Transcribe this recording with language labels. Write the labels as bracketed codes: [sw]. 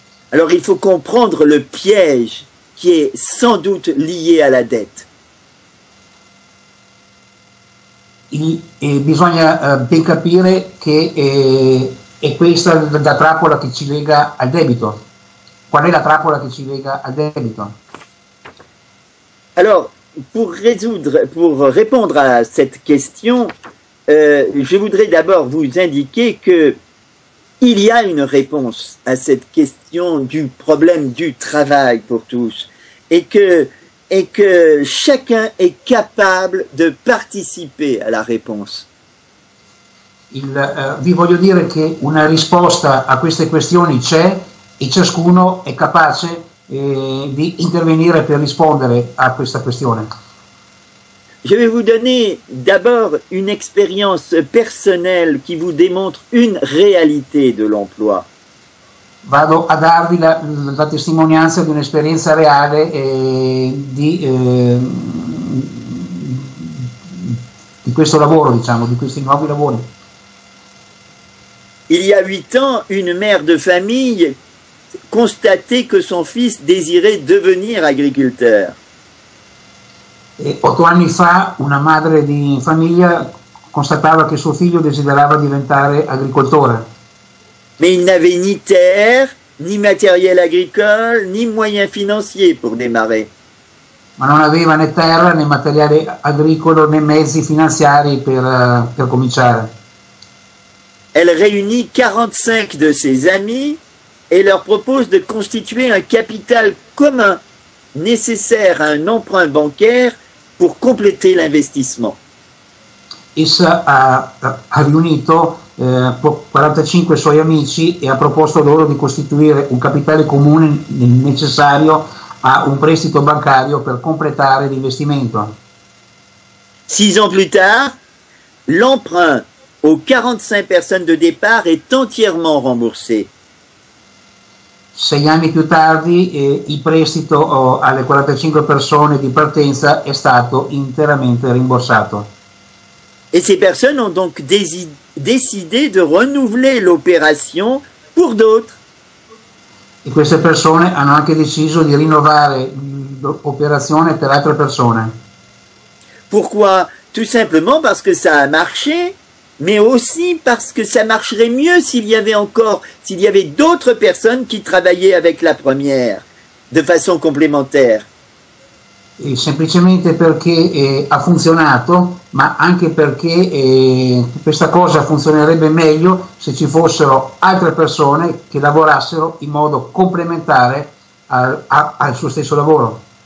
[fr] Il faut comprendre le piège qui est sans doute lié à la dette. [it] Bisogna ben capire che è questa la trappola che ci lega al debito. Qual è la trappola che ci lega al debito? [fr] Alors, pour répondre à cette question, je voudrais d'abord vous indiquer que il y a une réponse à cette question du problème du travail pour tous et que chacun est capable de participer à la réponse. [it] Vi voglio dire che una risposta a queste questioni c'è. E ciascuno è capace di intervenire per rispondere a questa questione. [fr] Je vais vous donner d'abord une expérience personnelle qui vous démontre une réalité de l'emploi. [it] Vado a darvi la testimonianza di un'esperienza reale di questo lavoro, diciamo, di questi nuovi lavori. [fr] Il y a 8 ans, une mère de famille constaté que son fils désirait devenir agriculteur. [it] Otto anni fa, una madre di famiglia constatava che suo figlio desiderava diventare agricoltore. [fr] Mais il n'avait ni terre, ni matériel agricole, ni moyens financiers pour démarrer. [it] Ma non aveva né terra, né materiale agricolo, né mezzi finanziari per cominciare. [fr] Elle réunit 45 de ses amis et leur propose de constituer un capital commun nécessaire à un emprunt bancaire pour compléter l'investissement. [it] Essa ha riunito 45 suoi amici e ha proposto loro di costituire un capitale comune necessario a un prestito bancario per completare l'investimento. [fr] 6 ans plus tard, l'emprunt aux 45 personnes de départ est entièrement remboursé. [it] 6 anni più tardi, il prestito alle 45 persone di partenza è stato interamente rimborsato. [fr] Et ces personnes ont donc décidé de renouveler l'opération pour d'autres. [it] E queste persone hanno anche deciso di rinnovare l'operazione per altre persone. [fr] Pourquoi? Tout simplement parce que ça a marché, mais aussi parce que ça marcherait mieux s'il y avait d'autres personnes qui travaillaient avec la première de façon complémentaire. [it] E semplicemente perché ha funzionato, ma anche perché questa cosa funzionerebbe meglio se ci fossero altre persone che lavorassero in modo complementare al suo stesso lavoro.